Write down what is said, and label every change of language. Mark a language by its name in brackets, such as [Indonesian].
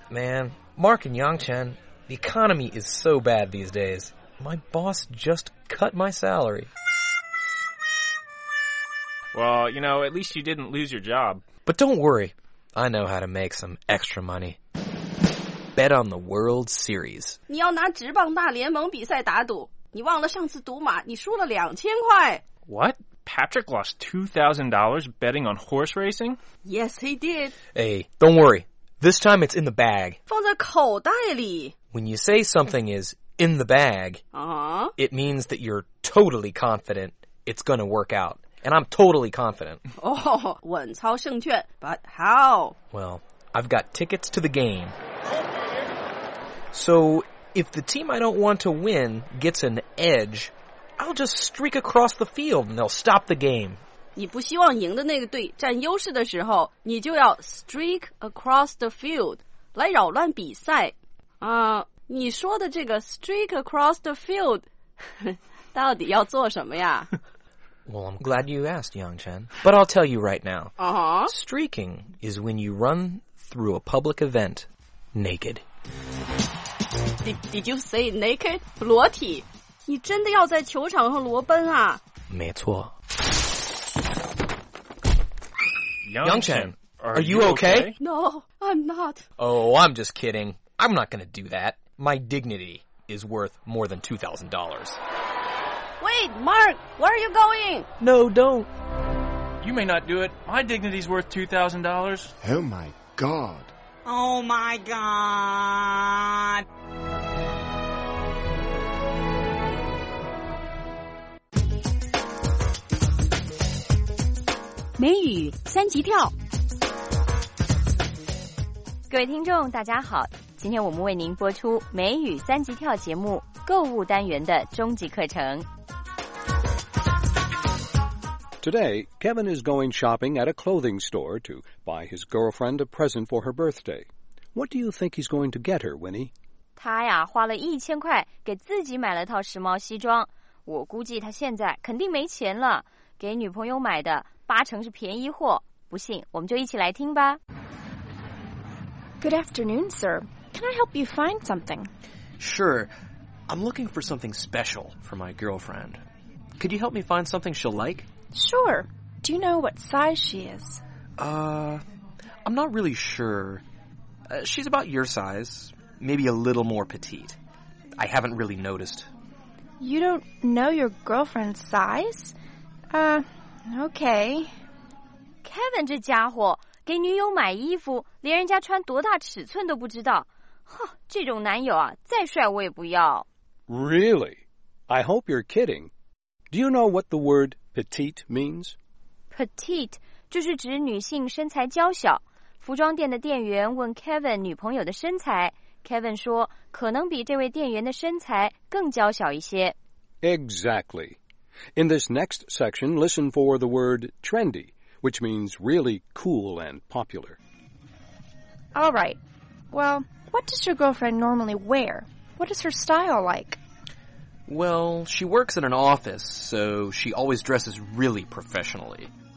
[English] Man, Mark and Yangchen, the economy is so bad these days. My boss just cut my salary. Well, you know, at least you didn't lose your job. But don't worry. I know how to make some extra money. Bet on the World Series. [Chinese] 你要拿职棒大联盟比赛打赌。你忘了上次赌马，你输了2000块。 [English] What? Patrick lost $2,000 betting on horse racing? Yes, he did. Hey, don't worry. This time it's in the bag. [Chinese] 放在口袋里。 [English] When you say something is in the bag, it means that you're totally confident it's going to work out. And I'm totally confident. Oh, [Chinese] 稳操胜券。 [English] But how? Well, I've got tickets to the game. So, if the team I don't want to win gets an edge, I'll just streak across the field and they'll stop the game. [Chinese] 你不希望赢的那个队占优势的时候，你就要 [English] streak across the field, [Chinese] 来扰乱比赛。你说的这个 [English] streak across the field, [Chinese] 到底要做什么呀？ [English] Well, I'm glad you asked, Yangchen. But I'll tell you right now. Streaking is when you run through a public event naked. Did you say naked? [Chinese] 裸体？你真的要在球场上裸奔啊？没错。 [English] Yangchen, are you okay? No, I'm not. Oh, I'm just kidding. I'm not going to do that. My dignity is worth more than $2,000. Wait, Mark, where are you going? No, don't. You may not do it. My dignity's worth $2,000. Oh, my God. Oh, my God. [Chinese] English 三级跳。各位听众，大家好。今天我们为您播出美语三级跳节目购物单元的终极课程。 [English] Today, Kevin is going shopping at a clothing store to buy his girlfriend a present for her birthday. What do you think he's going to get her, Winnie? [Chinese] 他呀，花了1000块给自己买了套时髦西装。我估计他现在肯定没钱了，给女朋友买的八成是便宜货。不信，我们就一起来听吧。 [English] Good afternoon, sir. Can I help you find something? Sure. I'm looking for something special for my girlfriend. Could you help me find something she'll like? Sure. Do you know what size she is? I'm not really sure. She's about your size, maybe a little more petite. I haven't really noticed. You don't know your girlfriend's size? Okay. [Chinese] Kevin, 这家伙给女友买衣服，连人家穿多大尺寸都不知道。哼，这种男友啊，再帅我也不要。 [English] Really? I hope you're kidding. Do you know what the word... Petite means? [Chinese] Petite 就是指女性身材娇小。服装店的店员问 Kevin 女朋友的身材， Kevin 说可能比这位店员的身材更娇小一些。 [English] Exactly. In this next section, listen for the word trendy, which means really cool and popular. All right. Well, what does your girlfriend normally wear? What is her style like? Well, she works in an office, so she always dresses really professionally.